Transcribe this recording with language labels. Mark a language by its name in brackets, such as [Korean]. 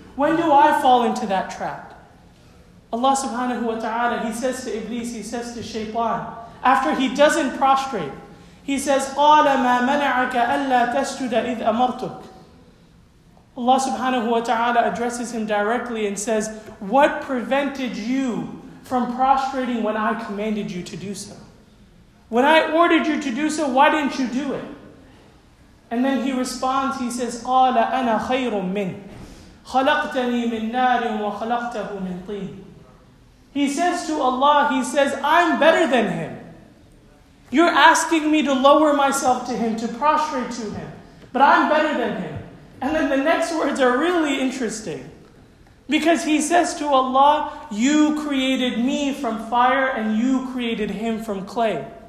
[English] When do I fall into that trap? Allah subhanahu wa ta'ala, he says to Iblis, he says to Shaytan, after he doesn't prostrate, he says, [Arabic] قَالَ مَا مَنَعَكَ أَلَّا تَسْجُدَ إِذْ أَمَرْتُكَ. [English] Allah subhanahu wa ta'ala addresses him directly and says, what prevented you from prostrating when I commanded you to do so? When I ordered you to do so, why didn't you do it? And then he responds, he says, [Arabic] قَالَ أَنَا خَيْرٌ مِنْ خَلَقْتَنِي مِنْ نَارٍ وَخَلَقْتَهُ مِنْ طِينٍ. [English] He says to Allah, he says, I'm better than him. You're asking me to lower myself to him, to prostrate to him, but I'm better than him. And then the next words are really interesting, because he says to Allah, you created me from fire and you created him from clay.